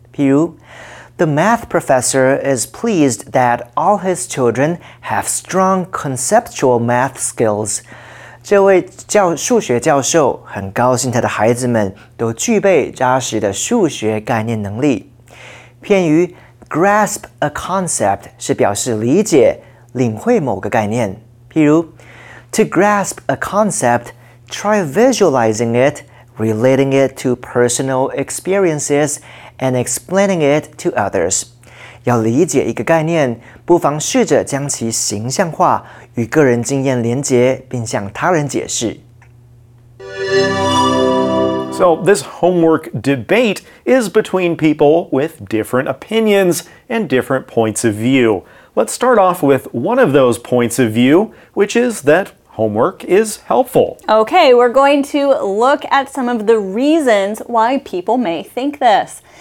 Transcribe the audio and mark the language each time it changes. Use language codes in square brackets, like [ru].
[zh] 譬如 [en] The math professor is pleased that all his children have strong conceptual math skills. [zh] 这位数学教授很高兴他的孩子们都具备扎实的数学概念能力。片语 [en] grasp a concept [zh] 是表示理解、领会某个概念。譬如 [en] To grasp a concept, try visualizing it, relating it to personal experiences, and explaining it to others. [zh] 要理解一个概念，不妨试着将其形象化与个人经验连结，并向他人解释。 [en] So, this homework debate is between people with different opinions and different points of view. Let's start off with one of those points of view, which is that homework is helpful. Okay, we're going to look at some of the reasons why people may think this.